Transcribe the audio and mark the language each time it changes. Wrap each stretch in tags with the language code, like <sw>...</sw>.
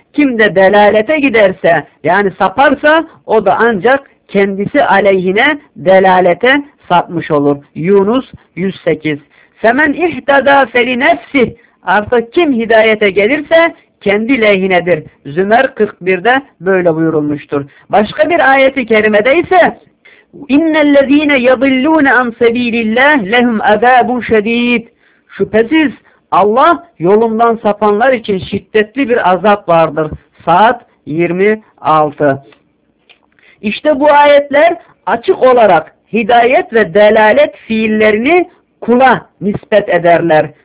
<tr>Kim de delalete giderse, yani saparsa, o da ancak kendisi aleyhine delalete sapmış olur.</tr> <ar>Yunus 108. فَمَنْ اِحْتَدَى فَلِنَفْسِهِ.</ar> <tr>Artık kim hidayete gelirse kendi lehinedir. Zümer 41'de böyle buyurulmuştur. Başka bir ayeti kerimede ise</tr> <ar>اِنَّ الَّذ۪ينَ يَضِلُّونَ عَنْ سَب۪يلِ اللّٰهِ لَهُمْ عَذَابٌ شَد۪يدٌ.</ar> <tr>Şüphesiz Allah yolundan sapanlar için şiddetli bir azap vardır. Saat 26. İşte bu ayetler açık olarak hidayet ve delalet fiillerini kula nispet ederler.</tr>